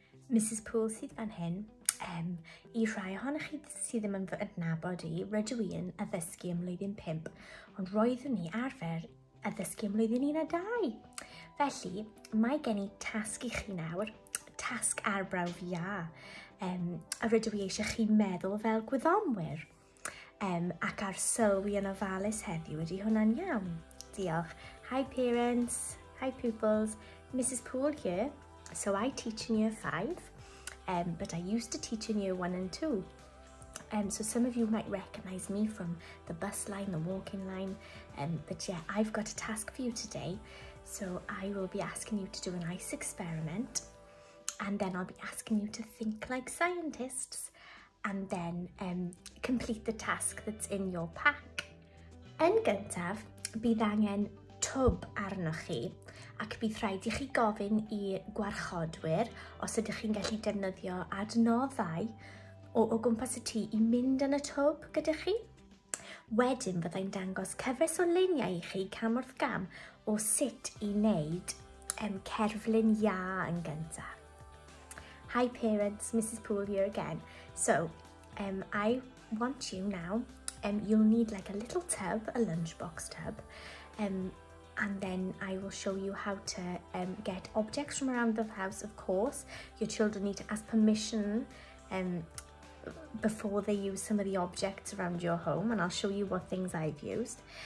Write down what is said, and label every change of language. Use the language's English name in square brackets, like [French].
[Welsh] Mrs Poole sydd fan hyn i rhai ohonych chi sydd ddim yn fy adnabod i rydw i'n addysgu ym mlwyddyn 5 ond roeddwn ni arfer addysgu ym mlwyddyn 1 a 2 felly mae gen i tasg i chi nawr tasg arbrawf ia a rydw i eisiau chi meddwl fel gwyddonwyr ac ar sylwi yn ofalus heddiw ydy hwnna'n iawn diolch [English] Hi parents, hi pupils, Mrs Poole here. So I teach in year 5, but I used to teach in year 1 and 2. So some of you might recognise me from the bus line, the walking line. But yeah, I've got a task for you today. So I will be asking you to do an ice experiment. And then I'll be asking you to think like scientists. And then complete the task that's in your pack. [Welsh] Yn gyntaf, bydd angen tub arnoch chi. Ac bydd rhaid i chi gofyn i gwarchodwyr os ydych chi'n gallu defnyddio adnoddau o gwmpas y tŷ i mynd yn y tŵb gyda chi. Wedyn byddai'n dangos cyfres o luniau i chi cam wrth gam o sut i wneud cerflun ia yn gyntaf. [English] Hi parents, Mrs Poole here again. So, I want you now, you'll need like a little tub, a lunchbox tub, and then I will show you how to get objects from around the house, of course. Your children need to ask permission before they use some of the objects around your home, and I'll show you what things I've used.